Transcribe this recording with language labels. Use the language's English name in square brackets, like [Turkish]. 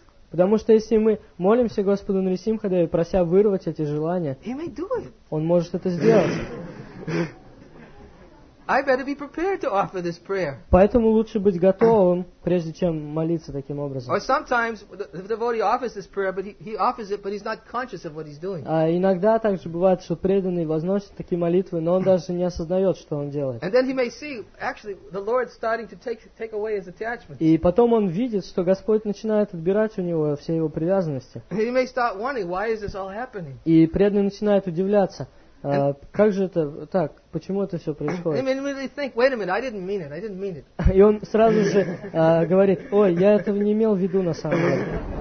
[Russian] Потому что если мы молимся Господу Нрисимхадеве, прося вырвать эти желания, Он может это сделать. [English] I better be prepared to offer this prayer. [Russian] Поэтому лучше быть готовым, прежде чем молиться таким образом. [English] Or sometimes the devotee offers this prayer, but he offers it, but he's not conscious of what he's doing. [Russian] А иногда также бывает, что преданный возносит такие молитвы, но он даже не осознает, что он делает. [English] And then he may see, actually, the Lord starting to take away his attachment. [Russian] И потом он видит, что Господь начинает отбирать у него все его привязанности. [English] And he may start wondering, why is this all happening? [Russian] И преданный начинает удивляться. Как же это так? Почему это все происходит? [English] Wait a minute, I didn't mean it. [Russian] И он сразу же говорит, ой, я этого не имел в виду на самом деле.